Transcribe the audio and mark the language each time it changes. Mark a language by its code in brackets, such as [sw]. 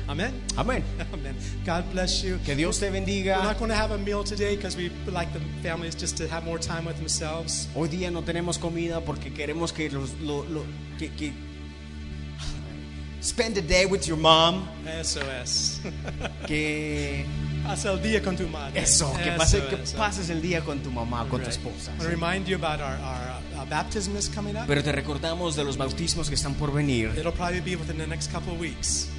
[en] Amen. Amen. Amen. God bless you. [es] Que Dios te bendiga. [en] We're not going to have a meal today because we like the families just to have more time with themselves. [es] Hoy día no tenemos comida porque queremos que los que [en] spend a day with your mom. SOS. [es] Que pasa el día con tu madre. Eso, que pase, eso, que pases el día con tu mamá, con tu esposa. [en] I remind you about our baptism is coming up. [es] Pero te recordamos de los bautismos que están por venir. [en] It'll probably be within the next couple of weeks.